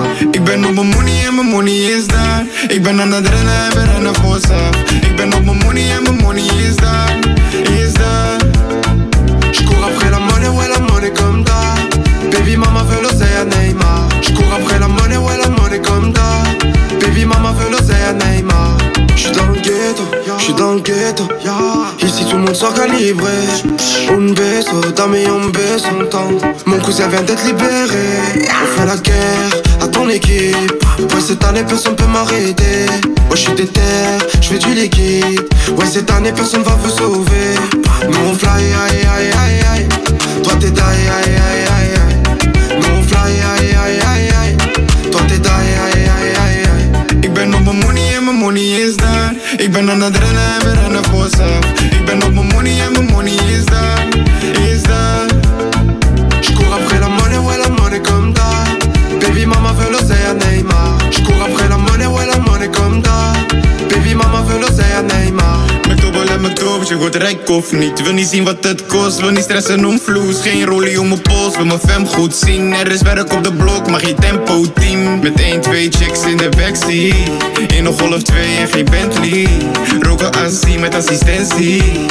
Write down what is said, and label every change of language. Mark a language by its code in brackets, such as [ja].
[nl] Ik ben op mijn money en mijn money is daar. Ik ben aan het rennen en we rennen voor zelf. Ik ben op mijn money en mijn money is daar. Is daar. [fr] Je cours après la money, ouais la money comme da. Baby mama veut l'oseille à Neymar. Je cours après la money, ouais la money comme da. Baby mama veut l'oseille à Neymar. J'suis dans le ghetto, j'suis dans le ghetto. Ici tout le monde sort calibré. [es] Un beso, dame y un beso. [fr] Mon cousin vient d'être libéré. On fait la guerre à ton équipe. Ouais cette année personne peut m'arrêter. Ouais j'suis déter, j'fais du liquide. Ouais cette année personne va vous sauver. Nous on fly, aïe aïe aïe aïe aïe. Toi t'es die, aïe aïe aïe aïe. Nous on fly, aïe aïe aïe aïe aïe. Toi t'es die, aïe aïe aïe aïe. [nl] Ik ben op mijn money en mijn money is daar. Ik ben aan het rennen en we rennen voor zelf. Ik ben op mijn money en mijn money is daar. Is daar. [fr] J'cours après la money, ouais la money comme da. Baby mama veut l'oseille à Neymar. J'cours après la money, ouais la money comme da. Baby mama veut l'oseille à Neymar. [nl] Je wordt rijk of niet, wil niet zien wat het kost. Wil niet stressen om vloes, geen rolie om mijn pols. Wil mijn fam goed zien, er is werk op de blok. Maar geen tempo team, met 1, 2 checks in de backseat. In een Golf 2 en geen Bentley. Roken Azie met assistentie.